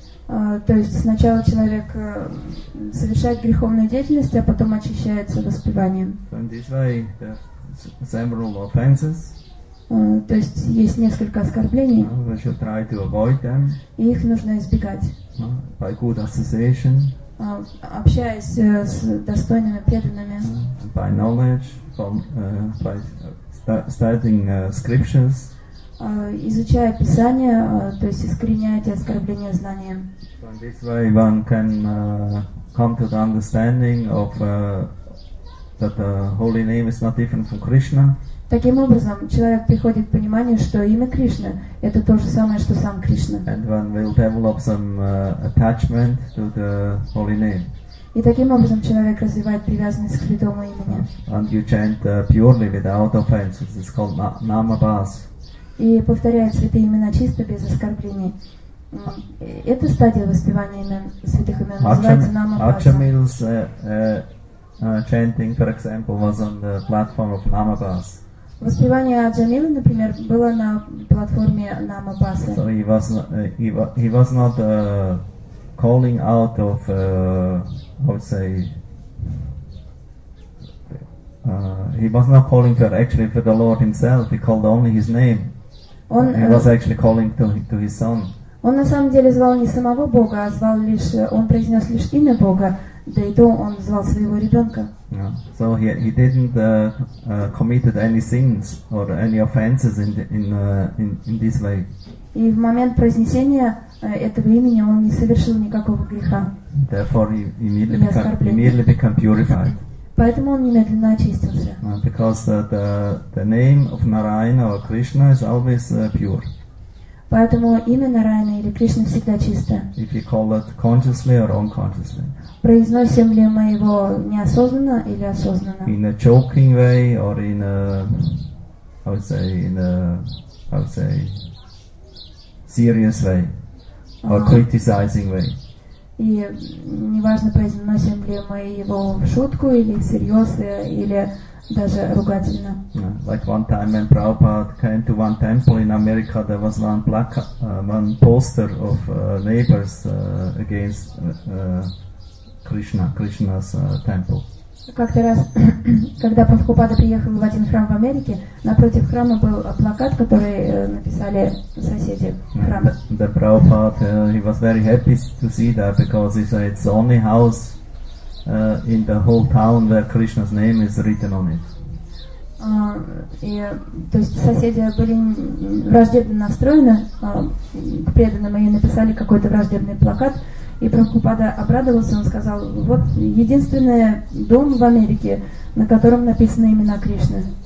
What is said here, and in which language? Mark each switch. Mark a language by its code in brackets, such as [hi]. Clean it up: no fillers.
[ru] То есть сначала человек совершает греховную деятельность, а потом очищается воспеванием. [en] So in this way, there are several offenses. [ru] То есть есть несколько оскорблений. [en] We should try to avoid them. [ru] И их нужно избегать. [en] By good association. [ru] Общаясь с достойными преданными. [en] By knowledge, by studying scriptures. [ru] Изучая Писание, то есть искореняя оскорбления знанием. [en] So in this way one can come to the understanding of that the holy name is not different from Krishna. [ru] Таким образом, человек приходит к пониманию, что имя Кришна – это то же самое, что сам Кришна. [en] And one will develop some attachment to the holy name. [ru] И таким образом человек развивает привязанность к святому имени. [en] And you chant purely without offenses. It's called namabhas. [ru] И повторяет святые имена чисто, без оскорблений. Эта стадия воспевания имен, святых имен называется намабхас. [en] Achamil's chanting, for example, was on the platform of namabhas. [ru] Воспевание Аджамилы, например, было на платформе Намабаса. [en] So he was not calling out of he was not calling for actually for the Lord himself. He called only his name. Он, he was actually calling to his son. [ru] Он на самом деле звал не самого Бога, а звал лишь, он произнес лишь имя Бога, да и то он звал своего ребенка. [en] Yeah. So he didn't committed any sins or any offenses in this way. [ru] И в момент произнесения этого имени он не совершил никакого греха. [en] Therefore, he immediately became purified. [ru] Поэтому он немедленно очистился. [en] Because the name of Narayana or Krishna is always pure. [ru] Поэтому имя Нараяна или Кришна всегда чистое. [en] If you call it consciously or unconsciously. [ru] Произносим ли мы его неосознанно или осознанно? [en] In a joking way or in a, I would say, serious way or criticizing way. [ru] И неважно, произносим ли мы его в шутку или серьезно, или даже ругательно. [en] Yeah. Like one time when Prabhupada came to one temple in America, there was one one poster of neighbors against Krishna's temple. [ru] Как-то раз, когда Прабхупада приехал в один храм в Америке, напротив храма был плакат, который написали соседи храма. [en] The Prabhupada, he was very happy to see that because he said it's the only house in the whole town where Krishna's name is written on it. [ru] И, то есть соседи были враждебно настроены к преданным, и написали какой-то враждебный плакат. И Прабхупада обрадовался, он сказал, вот единственный дом в Америке, на котором написаны имена Кришны.